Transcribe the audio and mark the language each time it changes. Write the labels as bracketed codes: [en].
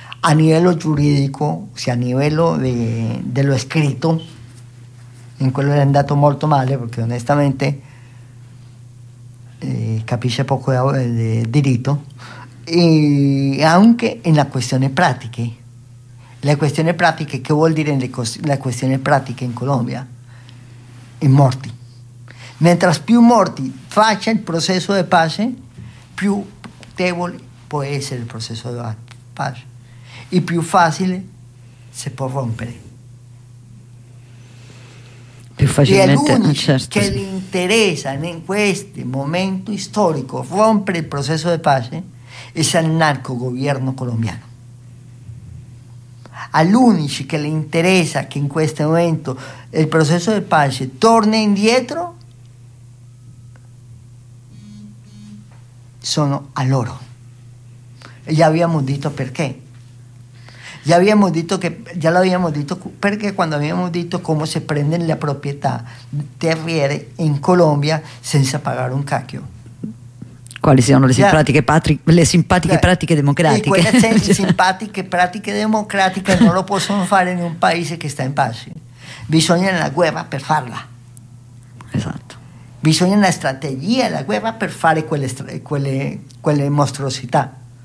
[it] A livello giuridico, sì, a livello dello scritto, in quello è andato molto male, perché onestamente capisce poco di diritto, e anche nella questione pratica. La questione pratica, che vuol dire la questione pratica in Colombia? I morti. Mentre più morti faccia il processo di pace, più debole può essere il processo di pace. [es] Y más fácil se puede romper. [it] Più facilmente, [es] y el único [it] certo. [es] Que le interesa en este momento histórico romper el proceso de paz es el narco gobierno colombiano. Al único que le interesa que en este momento el proceso de paz [it] torne indietro [es] son [it] a loro. [es] Ya habíamos dicho por qué. Ya habíamos dicho que ya lo habíamos dicho, porque cuando habíamos dicho cómo se prende la propiedad [it] terriere [es] en Colombia sin pagar [it] un cacchio. Quali siano le simpatiche pratiche democratiche? Quelle simpatiche pratiche democratiche non lo possono fare in un paese che sta in pace. Bisogna la guerra per farla. Esatto. Bisogna una strategia, la guerra per fare quelle, quelle mostruosità.